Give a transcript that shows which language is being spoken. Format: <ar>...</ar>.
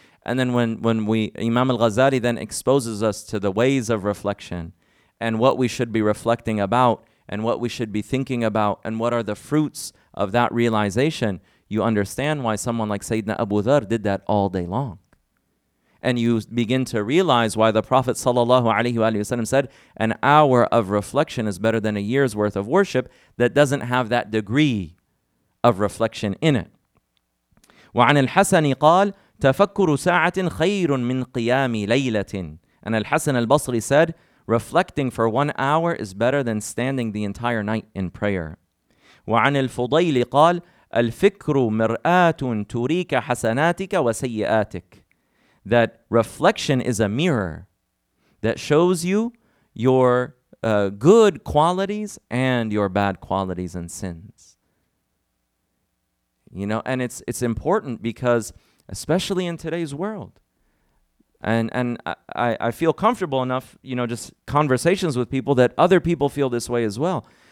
<en>And then when Imam al-Ghazali then exposes us to the ways of reflection, and what we should be reflecting about, and what we should be thinking about, and what are the fruits of that realization, you understand why someone like Sayyidina Abu Dhar did that all day long. And you begin to realize why the Prophet sallallahu alayhi wa sallam said, an hour of reflection is better than a year's worth of worship that doesn't have that degree of reflection in it.</en> <ar>وعن الحسن قال تفكر ساعة خير من قيام ليلة.</ar> <en>And Al-Hasan al-Basri said, reflecting for 1 hour is better than standing the entire night in prayer.</en> <ar>وعن الفضيل قال الفكر مرآة تريك حسناتك وسيئاتك.</ar> <en>That reflection is a mirror that shows you your good qualities and your bad qualities and sins. You know, and it's important because, especially in today's world, And I feel comfortable enough, you know, just conversations with people, that other people feel this way as well.</en>